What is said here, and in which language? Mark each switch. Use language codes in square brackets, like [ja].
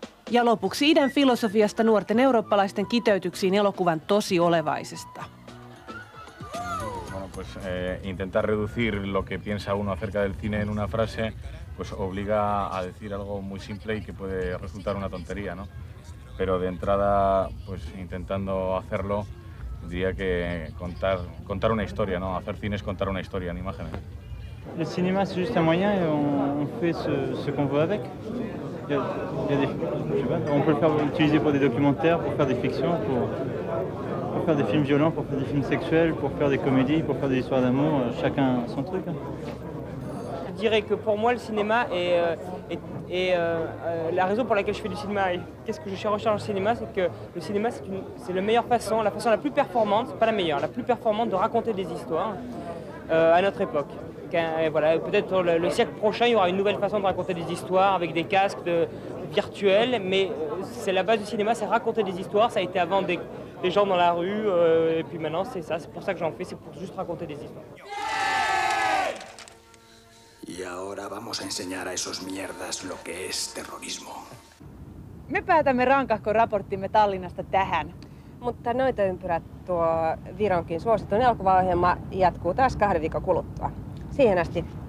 [fi] Ja lopuksi idän filosofiasta nuorten eurooppalaisten kiteytyksiin elokuvan tosi olevaisesta. [es] Bueno, pues intentar reducir lo que piensa uno acerca del cine en una frase pues obliga a decir algo muy simple y que puede resultar una tontería, ¿no? Pero de entrada, pues intentando hacerlo, diría que contar una historia, ¿no? Hacer cine es contar una historia en imágenes. [fr] Le cinéma, c'est juste un moyen et on fait ce qu'on veut avec. On peut le faire utiliser pour des documentaires, pour faire des fictions, pour faire des films violents, pour faire des films sexuels, pour faire des comédies, pour faire des histoires d'amour, chacun son truc. Je dirais que pour moi, le cinéma est la raison pour laquelle je fais du cinéma. Et qu'est-ce que je cherche dans le cinéma? C'est que le cinéma, c'est la meilleure façon, la façon la plus performante, pas la meilleure, la plus performante de raconter des histoires à notre époque. Et voilà, peut-être le siècle prochain, il y aura une nouvelle façon de raconter des histoires avec des casques virtuels, mais c'est la base du cinéma, c'est raconter des histoires. Ça a été avant des gens dans la rue, et puis maintenant c'est ça, c'est pour ça que j'en fais, c'est pour juste raconter des histoires. [es] Et ahora vamos a enseñar a esos mierdas lo que es terrorismo. [fi] Me päätämme rankahkon raporttimme Tallinnasta tähän. Mutta noita ympyrät tuo Vironkin suosittu elokuvaohjelma jatkuu taas kahden viikon kuluttua. Siihen asti.